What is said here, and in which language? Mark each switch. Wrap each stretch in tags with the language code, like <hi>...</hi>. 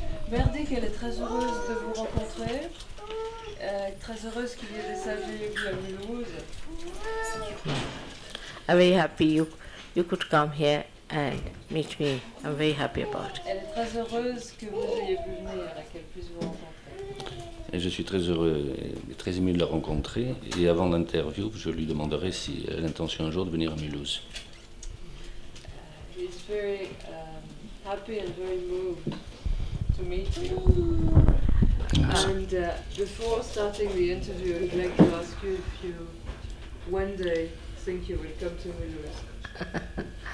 <fr>Mère dit qu'elle est très heureuse de vous rencontrer. Très heureuse qu'il y ait des sages à Mulhouse.</fr> <en>I'm very happy you could come here and meet me. I'm very happy about it.</en> <fr>Elle est très heureuse que vous ayez pu venir et qu'elle puisse vous rencontrer. Et je suis très heureux et très ému de la rencontrer. Et avant l'interview, je lui demanderai si elle a l'intention un jour de venir à Mulhouse.</fr> <en>Very happy and very moved to meet you. And before starting the interview, I'd like to ask you if you one day think you will come to Mulhouse.</en>